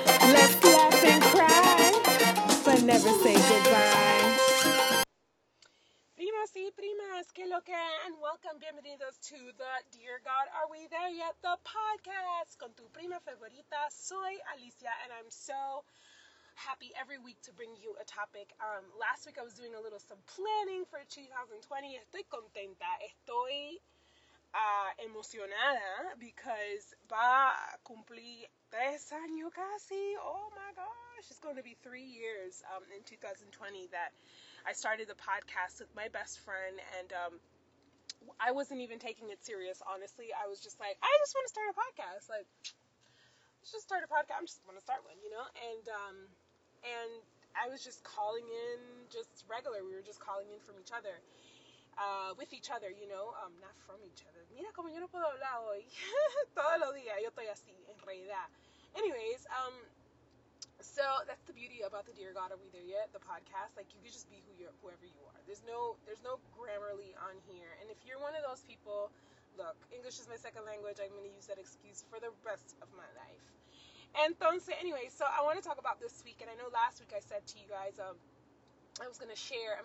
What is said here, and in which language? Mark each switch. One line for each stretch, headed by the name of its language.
English: Let's laugh and cry, but never say goodbye.
Spanish: Primas y primas, ¿qué lo que?
English: And welcome,
Spanish: bienvenidos
English: to the Dear God, Are We There Yet? The podcast
Spanish: con tu prima favorita. Soy Alicia,
English: and I'm so happy every week to bring you a topic. Last week I was doing a little some planning for 2020.
Spanish: Estoy contenta. Estoy emocionada
English: because
Spanish: va a cumplir 3 años casi.
English: Oh my gosh, it's going to be 3 years in 2020 that I started the podcast with my best friend, and I wasn't even taking it serious, honestly. I was just like, I just want to start a podcast. Like, let's just start a podcast. I'm just want to start one, you know? And I was just calling in just regular. We were just calling in from each other. With each other, you know, not from each other.
Spanish: Mira como yo no puedo hablar hoy. Todos los días yo estoy así, en realidad.
English: Anyways, so that's the beauty about the Dear God, Are We There Yet? The podcast. Like, you could just be whoever you are. There's no Grammarly on here. And if you're one of those people, look, English is my second language. I'm going to use that excuse for the rest of my life.
Spanish: Entonces,
English: anyway, so I want to talk about this week. And I know last week I said to you guys, I was going to share.